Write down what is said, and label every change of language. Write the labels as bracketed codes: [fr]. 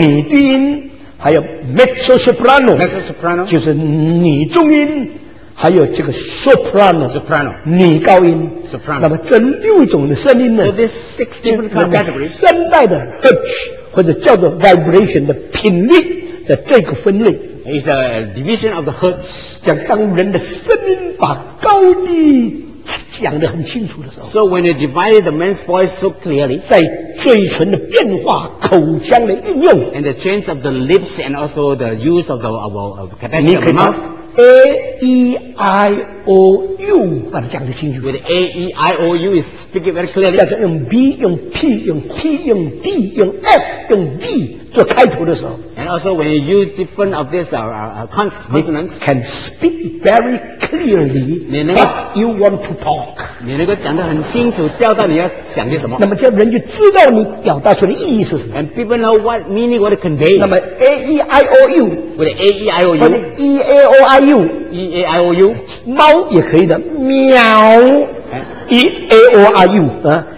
[zh] 女低音还有 mezzo soprano, [en] mezzo soprano [zh] 就是女中音还有这个 soprano, [en] soprano [zh] 女高音 [en] soprano [zh] 那么这六种的声音呢、 [en] so、this six different kind of categories, [zh] 声带的 pitch 或者叫做 vibration 的频率的这个分类 [en] is a division of the hertz [zh] 讲当人的声音把高低讲得很清楚的时候 [en] so when you divided the man's voice so clearly [zh] 在嘴唇的变化口腔的运用 [en] and the change of the lips and also the use of the capacity of the mouth [zh] A E I O U 把它讲得清楚。 [en] With A E I O U is speaking very clearly。 [zh] 加上用 B、用 P、用 T、用 D、用 F、用 V 做开头的时候。 [en] And also when you use different of these consonants, can speak very clearly. But you want to talk. [zh] 你能够讲得很清楚，交代你要讲些什么。那么这人就知道你表达出的意义是什么。 [en] And people know what meaning what to convey. [zh] 那么 A E I O U [en] with A E I O U [zh] 或者 E A O I U [en] E A I O U [zh] 猫也可以的，喵 E A O I U 啊